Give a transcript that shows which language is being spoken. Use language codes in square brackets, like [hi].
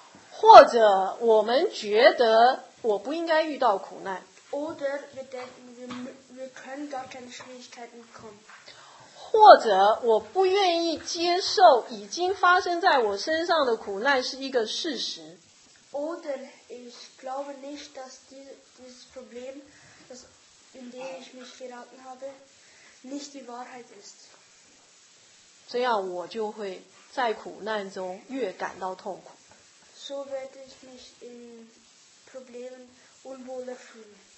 [zh] 或者我们觉得我不应该遇到苦难。或者我不愿意接受已经发生在我身上的苦难是一个事实。 [de] Oder ich glaube nicht, dass dieses Problem, in dem ich mich geraten habe, nicht die Wahrheit ist. [zh] 这样我就会在苦难中越感到痛苦。 [de] So werde ich mich in Problemen unwohler fühlen.